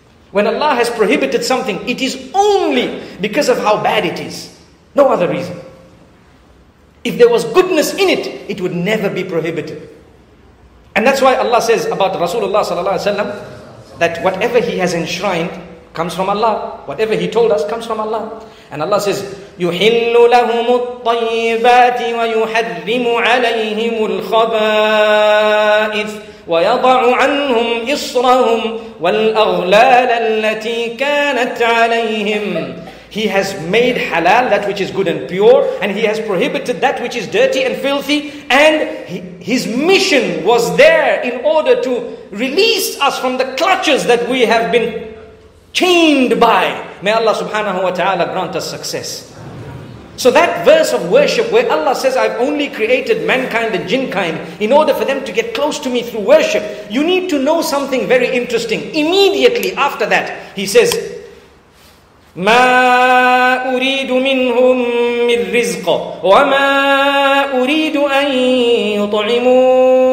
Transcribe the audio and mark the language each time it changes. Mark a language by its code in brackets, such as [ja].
[en] When Allah has prohibited something, it is only because of how bad it is. No other reason. If there was goodness in it, it would never be prohibited. And that's why Allah says about Rasulullah sallallahu alaihi wasallam that whatever he has enshrined comes from Allah. Whatever he told us comes from Allah. And Allah says, [ar] يُحِلُّ لَهُمُ الطَّيِّبَاتِ وَيُحَرِّمُ عَلَيْهِمُ الْخَبَائِثِ وَيَضَعُ عَنْهُمْ إِصْرَهُمْ وَالْأَغْلَالَ الَّتِي كَانَتْ عَلَيْهِمْ. [en] He has made halal that which is good and pure, and He has prohibited that which is dirty and filthy. And His mission was there in order to release us from the clutches that we have been chained by. May Allah subhanahu wa ta'ala grant us success. So that verse of worship where Allah says, I've only created mankind and jinnkind in order for them to get close to me through worship. You need to know something very interesting. Immediately after that, He says, [ar] مَا أُرِيدُ مِنْهُمْ مِنْ رِزْقَ وَمَا أُرِيدُ أَنْ يُطْعِمُونَ.